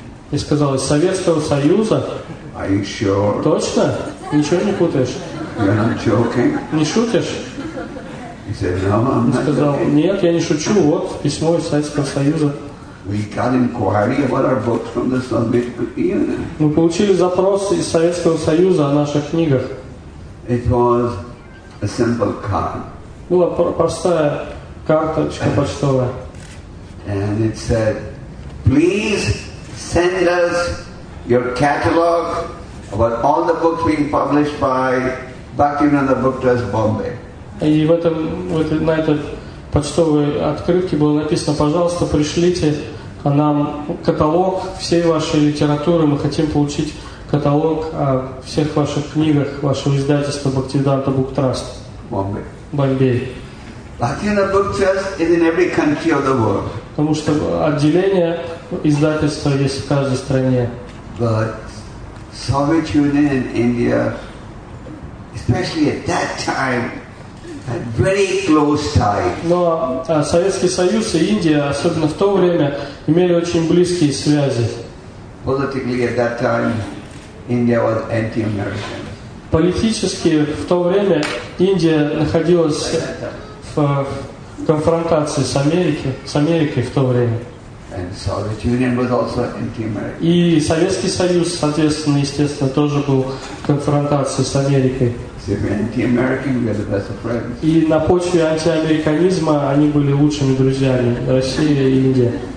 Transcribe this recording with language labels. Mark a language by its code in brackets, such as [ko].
[ru] И сказал, из Советского Союза? [en] Are you sure? [ru] Точно? Ничего не путаешь? [en] You're not joking? [ru] Не шутишь? [en] He said, no, I'm not joking. [ru] Он сказал, нет, я не шучу, вот письмо из Советского Союза. [en] We got inquiry about our books from the Soviet Union. [ru] Мы получили запрос из Советского Союза о наших книгах. [en] It was a simple card. [ru] Была простая карточка почтовая. [en] And it said, please send us your catalog about all the books being published by Bhaktivedanta Book Trust Bombay. [ru] И в этом, вот на этой почтовой открытке было написано, пожалуйста, пришлите нам каталог всей вашей литературы, мы хотим получить каталог о всех ваших книгах, вашего издательства Bhaktivedanta Book Trust. [en] Bombay. [ru] Bombay. [en] Bhaktivedanta Book Trust is in every country of the world. [ru] Потому что отделение издательства есть в каждой стране. [en] But Soviet Union and India, especially at that time, had very close ties. [ru] Но Советский Союз и Индия, особенно в то время, имели очень близкие связи. [en] Politically at that time, India was anti-American. [ru] Политически в то время Индия находилась в конфронтации с Америкой в то время. [en] And Soviet Union was also anti-American. [ru] И Советский Союз, соответственно, естественно, тоже был в конфронтации с Америкой. [en] So if you're anti-American, you're the best of friends. [ru] И на почве антиамериканизма они были лучшими друзьями, Россия и Индия.